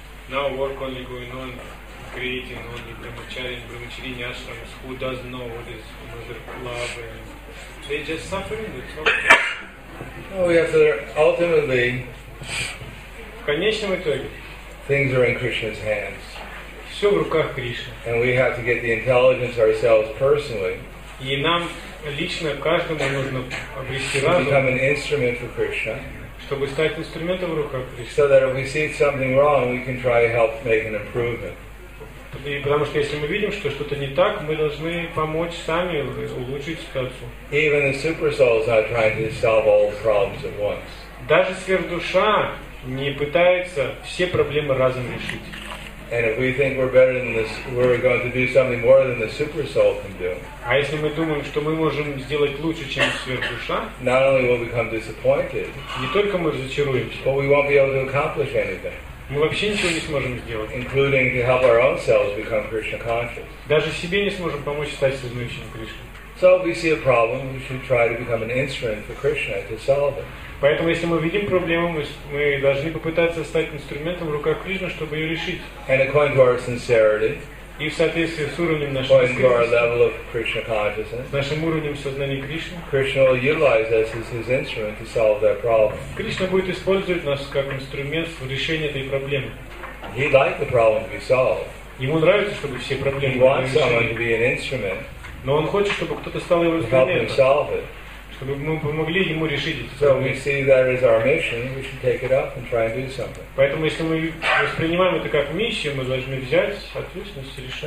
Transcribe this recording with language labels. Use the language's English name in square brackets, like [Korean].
[English] Now work only going on, creating only brahmachari and brahmachari ashrams, who doesn't know what is mother love, and they just suffering, that's okay. Oh, yes, sir. Ultimately, [Russian] в конечном итоге, [English] things are in Krishna's hands. [Russian] Все в руках Кришны. [English] And we have to get the intelligence ourselves personally. [Russian] И нам лично каждому нужно обрести разум, [English] become an instrument for Krishna. [Russian] Чтобы стать инструментом в руках Кришны. [English] So that if we see something wrong, we can try to help make an improvement. [Russian] И потому что если мы видим, что что-то не так, мы должны помочь сами улучшить ситуацию. [English] Even the super souls are trying to solve all the problems at once. [Russian] Даже сверхдуша не пытается все проблемы разом решить. [English] And if we think we're better than this, we're going to do something more than the super soul can do. [Russian] А если мы думаем, что мы можем сделать лучше, чем сверхдуша, [English] not only will we become disappointed, [Russian] не только мы разочаруемся, [English] but we won't be able to accomplish anything. [Russian] Мы вообще ничего не сможем сделать. [English] Including to help our own selves become Krishna conscious. [Russian] Даже себе не сможем помочь стать сознающим Кришной. [English] So if we see a problem, we should try to become an instrument for Krishna to solve it. [Russian] Поэтому, если мы видим проблему, мы должны попытаться стать инструментом в руках Кришны, чтобы ее решить. [English] And according to our sincerity, [Russian] и в соответствии с уровнем нашей искренности, с нашим уровнем сознания Кришны, [English] Krishna will utilize us as his instrument to solve that problem. [Russian] Кришна будет использовать нас как инструмент в решении этой проблемы. [English] He'd like the problem to be solved. [Russian] Ему нравится, чтобы все проблемы были решены. [English] He wants someone to be an instrument. [Russian] Но он хочет, чтобы кто-то стал его инструментом. Чтобы мы помогли ему решить эту проблему. So we see that as our mission, we should take it up and try and do something. Поэтому, если мы воспринимаем это как миссию, мы должны взять ответственность и